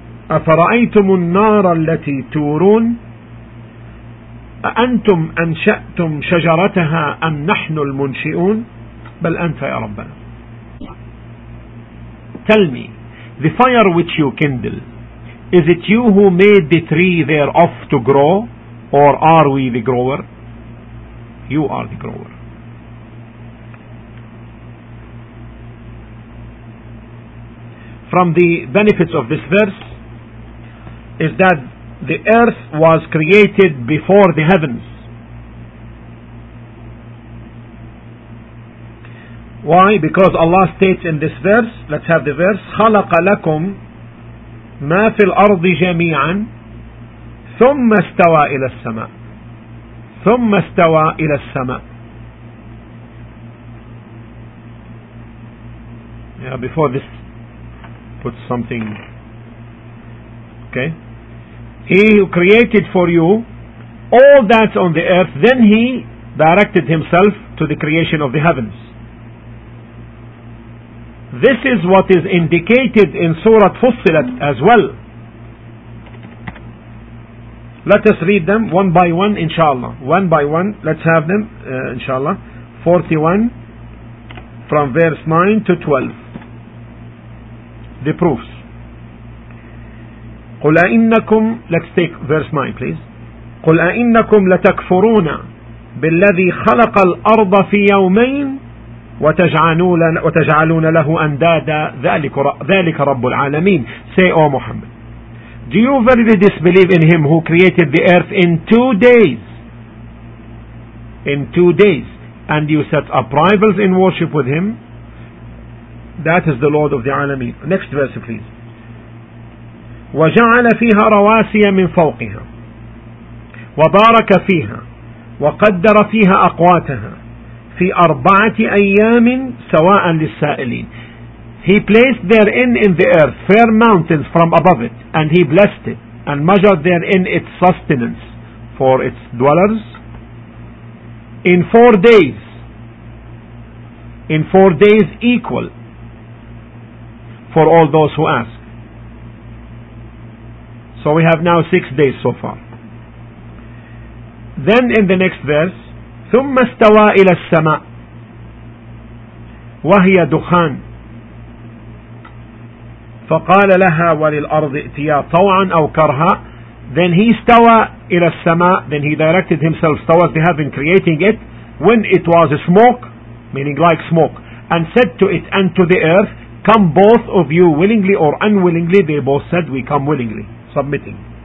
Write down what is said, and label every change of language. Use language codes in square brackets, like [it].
[ar] أفرأيتم النار التي تورون أأنتم أنشأتم شجرتها أم نحن المنشئون. بل أنت يا ربنا. [en] Tell me, the fire which you kindle, is it you who made the tree thereof to grow, or are we the grower? You are the grower. From the benefits of this verse is that the earth was created before the heavens. Why? Because Allah states in this verse, let's have the verse, [ar] خلق لكم ما في الأرض جميعا ثم استوى إلى السماء ثم استوى إلى السماء. [en] Yeah, before this put something. Okay. He who created for you all that's on the earth, then he directed himself to the creation of the heavens. This is what is indicated in Surah Fussilat as well. Let us read them one by one, inshallah. One by one, let's have them, inshallah. 41, from verse 9 to 12. The proofs. [ar] قل أئنكم, [en] let's take verse 9 please. [ar] قل أئنكم لتكفرون بالذي خلق الأرض في يومين وتجعلون له أندادا ذلك رب العالمين. [en] Say, O Muhammad, do you verily disbelieve in him who created the earth in 2 days? In 2 days. And you set up rivals in worship with him. That is the Lord of the Alameen. Next verse please. [ar] وجعل فيها رواسي من فوقها وبارك فيها وقدر فيها أقواتها في أربعة أيام سواء للسائلين. [en] He placed therein in the earth fair mountains from above it, and he blessed it and measured therein its sustenance for its dwellers in 4 days, in 4 days equal for all those who ask. So we have now 6 days so far. Then in the next verse, [ar] ثم استوى إلى السماء وهي دخان فقال لها وللأرض ائتيا طوعا أو كرها. [en] Then he [ar] استوى إلى السماء, [en] then he directed himself towards the heaven, creating it when it was a smoke, meaning like smoke, and said to it and to the earth, come both of you willingly or unwillingly. They both said, we come willingly, submitting.